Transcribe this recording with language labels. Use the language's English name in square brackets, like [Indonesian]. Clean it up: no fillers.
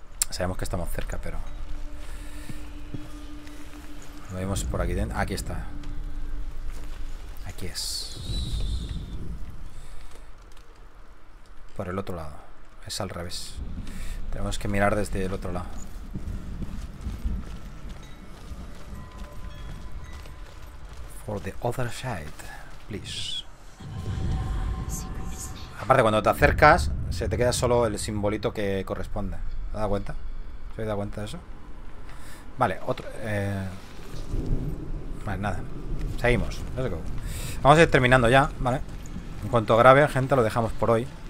[Spanish] Sabemos que estamos cerca, pero lo vemos por aquí dentro. Aquí está. Aquí es. Por el otro lado. Es al revés. Tenemos que mirar desde el otro lado. [English] For the other side, please. [Spanish] Aparte, cuando te acercas, se te queda solo el simbolito que corresponde. ¿Te has dado cuenta? ¿Te has dado cuenta de eso? Vale, otro. Vale, nada. Seguimos. Vamos a ir terminando ya, ¿vale? En cuanto grabe, gente, lo dejamos por hoy.